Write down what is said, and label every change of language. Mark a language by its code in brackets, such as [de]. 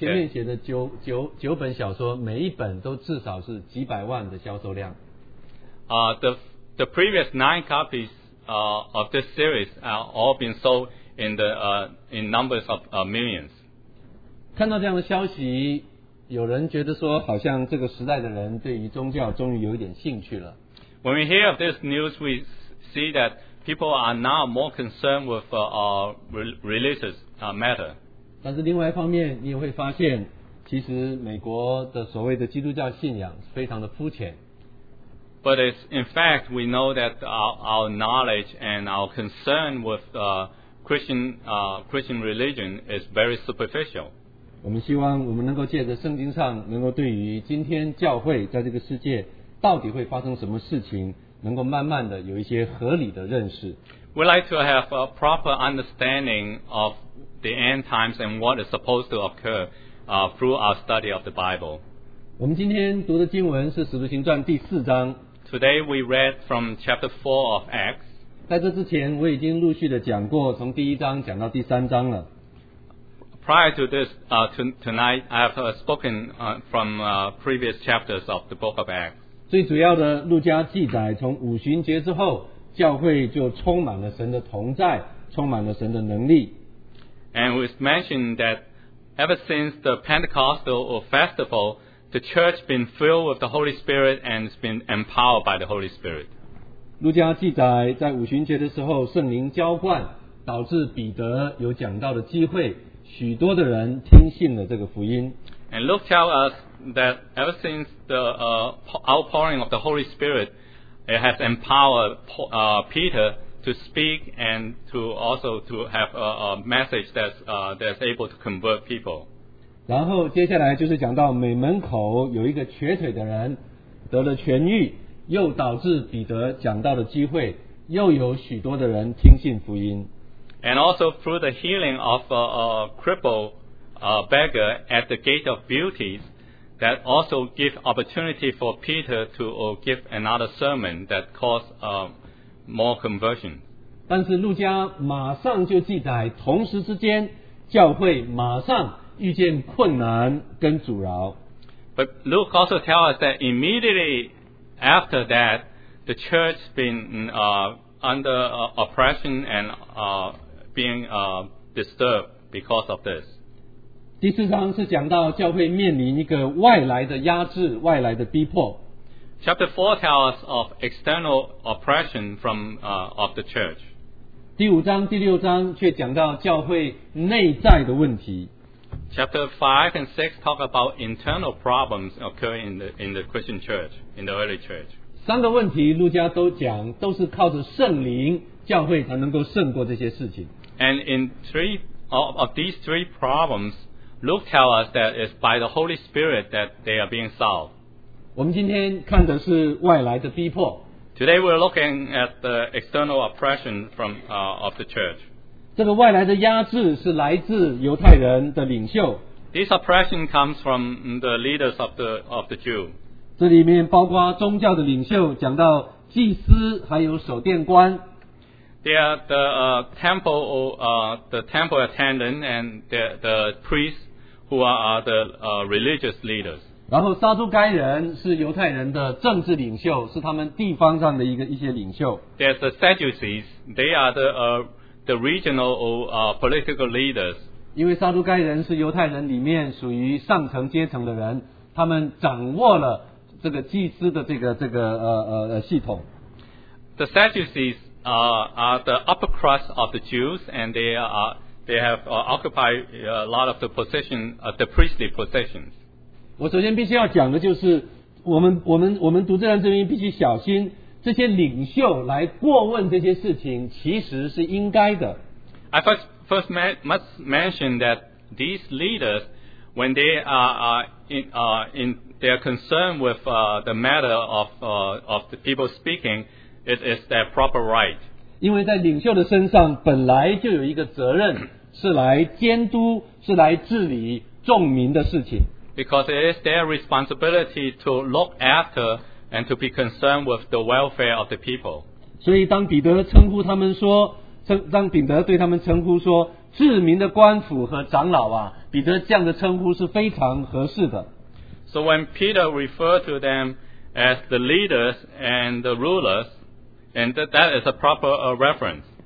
[zh] 前面写的九本小说，每一本都至少是几百万的销售量。 [en] The previous 9 copies of this series are all been sold in the in numbers of millions. [zh] 看到这样的消息，有人觉得说好像这个时代的人对于宗教终于有一点兴趣了。 [en] When we hear of this news, we see that people are now more concerned with religious matter. [zh] 但是另外一方面，你也会发现其实美国的所谓的基督教信仰非常的肤浅。 [en] But it's, in fact, we know that our knowledge and our concern with Christian religion is very superficial. [zh] 我们希望我们能够借着圣经上能够对于今天教会在这个世界到底会发生什么事情能够慢慢的有一些合理的认识。 [en] We like to have a proper understanding of the end times and what is supposed to occur through our study of the Bible. [zh] 我们今天读的经文是《使徒行传》第四章。 [en] Today we read from chapter 4 of Acts. [zh] 在这之前我已经陆续的讲过从第一章讲到第三章了。 [en] Prior to this, tonight I have spoken from previous chapters of the book of Acts. [zh] 最主要的路加记载从五旬节之后教会就充满了神的同在，充满了神的能力。 [en] And we mentioned that ever since the Pentecostal festival,The church has been filled with the Holy Spirit and has been empowered by the Holy Spirit. [zh] 路加记载在五旬节的时候圣灵浇灌导致彼得有讲道的机会，许多的人听信了这个福音。 [en] And Luke tells us that ever since the outpouring of the Holy Spirit, it has empowered Peter to speak and to also to have a message that's able to convert people. [zh] 然后接下来就是讲到每门口有一个瘸腿的人得了痊愈，又导致彼得讲道的机会，又有许多的人听信福音。 [en] And also through the healing of a crippled beggar at the gate of beauties, that also give opportunity for Peter to give another sermon that caused more conversion. [zh] 但是路加马上就记载，同时之间教会马上遇见困难跟阻挠。 [en] But Luke also tells us that immediately after that, the church has been under oppression and being disturbed because of this. [zh] 第四章是讲到教会面临一个外来的压制，外来的逼迫。 [en] Chapter 4 tells of external oppression from, of the church. [zh] 第五章、第六章却讲到教会内在的问题。 [en] Chapter 5 and 6 talk about internal problems occurring in the Christian church, in the early church. [zh] 三个问题路加都讲，都是靠着圣灵，教会才能够胜过这些事情。 [en] And in three of these three problems, Luke tells us that it's by the Holy Spirit that they are being solved. [zh] 我们今天看的是外来的逼迫。 [en] Today we're looking at the external oppression from, of the church. [zh] 这个外来的压制是来自犹太人的领袖。 [en] This oppression comes from the leaders of the Jew. [zh] 这里面包括宗教的领袖，讲到祭司还有守殿官。 [en] They are the temple attendant and the priests who are the religious leaders. [zh] 然后撒都该人是犹太人的政治领袖，是他们地方上的一些领袖。 [en] There's the Sadducees. They are the regional political leaders. [zh] 因为撒都该人是犹太人里面属于上层阶层的人，他们掌握了这个祭司的这个系统。 [en] The Sadducees. Are the upper crust of the Jews, and they have occupied a lot of the position, the priestly positions. [zh] 我首先必须要讲的就是，我们读这段圣经必须小心，这些领袖来过问这些事情，其实是应该的。 [en] I first must mention that these leaders, when they are in their concern with the matter of the people speaking. It is their proper right. [zh] 因为在领袖的身上本来就有一个责任，是来监督，是来治理众民的事情。 [en] Because it is their responsibility to look after and to be concerned with the welfare of the people. [zh] 所以当彼得称呼他们说，当彼得对他们称呼说，治民的官府和长老啊，彼得这样的称呼是非常合适的。 [en] So when Peter referred to them as the leaders and the rulers,And that is a proper reference.